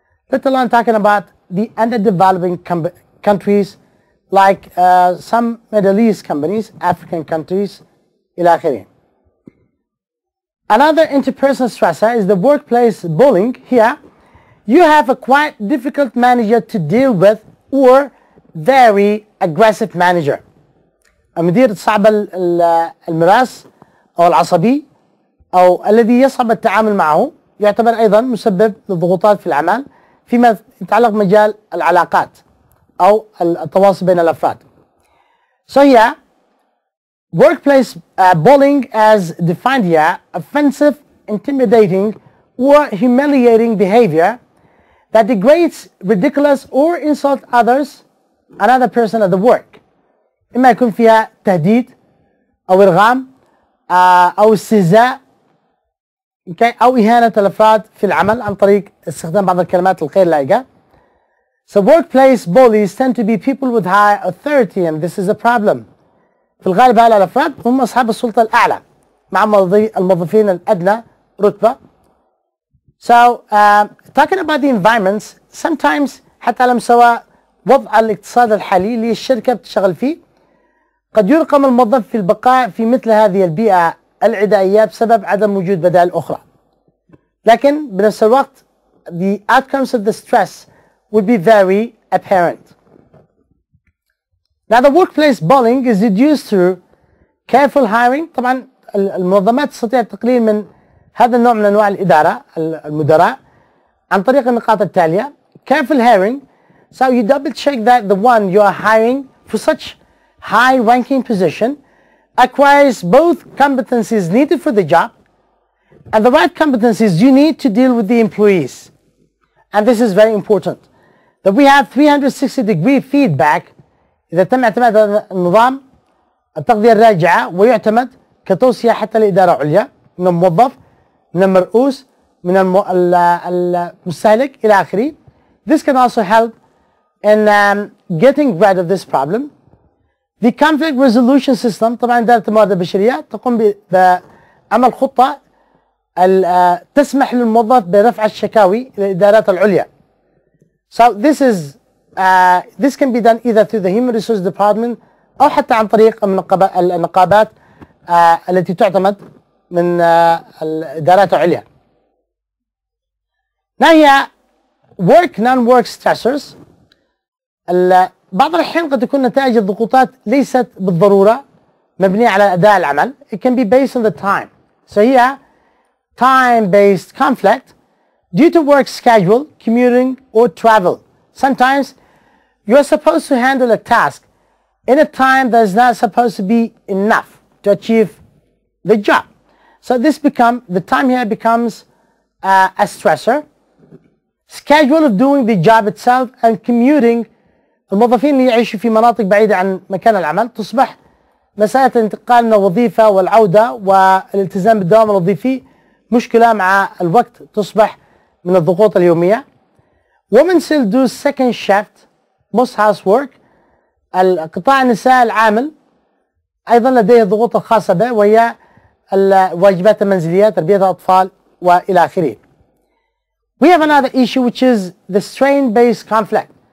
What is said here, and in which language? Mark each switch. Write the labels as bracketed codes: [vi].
[en] Let alone talking about the underdeveloping countries like some Middle East companies, African countries, [ar] إلى آخره. [en] Another interpersonal stressor is the workplace bullying. Here, you have a quite difficult manager to deal with or very aggressive manager. [ar] المدير صعب المراس أو العصبي أو الذي يصعب التعامل معه يعتبر أيضا مسبب للضغوطات في العمل فيما يتعلق مجال العلاقات أو التواصل بين الأفراد. [en] So here, workplace bullying as defined here, offensive, intimidating, or humiliating behavior that degrades, ridiculous, or insult others, another person at the work. [ar] إما يكون فيها تهديد أو إرغام أو استهزاء okay, أو إهانة الأفراد في العمل عن طريق استخدام بعض الكلمات الغير لائقة. [en] So workplace bullies tend to be people with high authority and this is a problem. [ar] في الغالب هؤلاء الأفراد هم أصحاب السلطة الأعلى مع الموظفين الأدنى رتبة. [en] So talking about the environments, sometimes [ar] حتى على مستوى وضع الاقتصاد الحالي للشركة بتشغل فيه قد يرقم الموظف في البقاء في مثل هذه البيئة العدائية بسبب عدم وجود بدائل أخرى. لكن بنفس الوقت [en] the outcomes of the stress would be very apparent. Now the workplace bullying is reduced through careful hiring. [ar] طبعا المنظمات تستطيع التقليل من هذا النوع من أنواع الإدارة المدراء عن طريق النقاط التالية. [en] Careful hiring, so you double check that the one you are hiring for such high ranking position acquires both competencies needed for the job and the right competencies you need to deal with the employees. And this is very important that we have 360 degree feedback. [ar] إذا تم اعتماد هذا النظام التغذية الراجعة ويعتمد كتوصية حتى لإدارة عليا من الموظف من المرؤوس من المستهلك إلى آخره. [en] This can also help in getting rid of this problem. The conflict resolution system, [ar] طبعا إدارة الموارد البشرية تقوم بعمل خطة تسمح للموظف برفع الشكاوي للإدارات العليا. [en] So this can be done either through the human resource department [ar] أو حتى عن طريق النقابات التي تعتمد من الإدارات العليا. [en] Now here, work non-work stressors. [ar] بعض الأحيان قد تكون نتائج الضغوطات ليست بالضرورة مبنية على أداء العمل. [en] It can be based on the time. So here, time-based conflict due to work schedule, commuting, or travel. Sometimes you are supposed to handle a task in a time that is not supposed to be enough to achieve the job. So this become the time here becomes a stressor. Schedule of doing the job itself and commuting. [ar] الموظفين اللي يعيشوا في مناطق بعيدة عن مكان العمل تصبح مسألة الانتقال من الوظيفة والعودة والالتزام بالدوام الوظيفي مشكلة مع الوقت تصبح من الضغوط اليومية. [en] Women still do second shift, most housework. [ar] القطاع النساء العامل أيضا لديه الضغوط الخاصة به وهي الواجبات المنزلية تربية الأطفال وإلى آخره. [en] We have another issue which is the strain-based conflict.